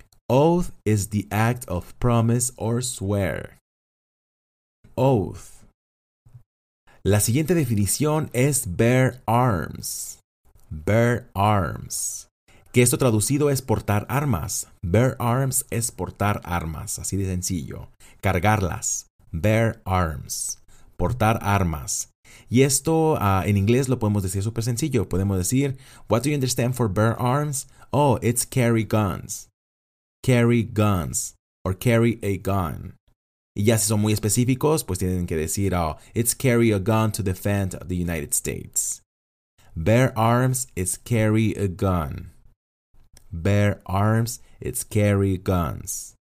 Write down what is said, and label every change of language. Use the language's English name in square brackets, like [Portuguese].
[English] Oath is the act of promise or swear. Oath. [Spanish] La siguiente definición es bear arms. Bear arms. que esto traducido es portar armas. Bear arms es portar armas, así de sencillo. Cargarlas. Bear arms. Portar armas. Y esto en inglés lo podemos decir súper sencillo. Podemos decir, [English] what do you understand for bear arms? Oh, it's carry guns. Carry guns. Or carry a gun. [Spanish] Y ya si son muy específicos, pues tienen que decir, [English] oh, it's carry a gun to defend the United States. Bear arms is carry a gun. Bear arms is carry guns.